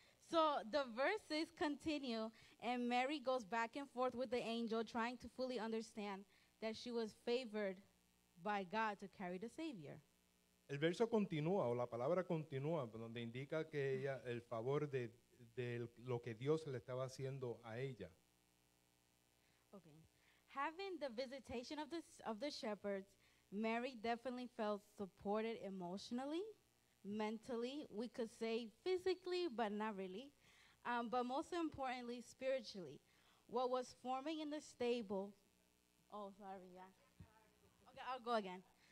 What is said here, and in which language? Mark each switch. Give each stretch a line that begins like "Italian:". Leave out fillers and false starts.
English: So the verses continue, and Mary goes back and forth with the angel, trying to fully understand that she was favored by God to carry the Savior.
Spanish: El verso continúa, o la palabra continúa, donde indica que ella, el favor de lo que Dios le estaba haciendo a ella. Okay.
English: Having the visitation of the shepherds, Mary definitely felt supported emotionally, mentally, we could say physically, but not really, but most importantly, spiritually. What was forming in the stable, Okay, I'll go again.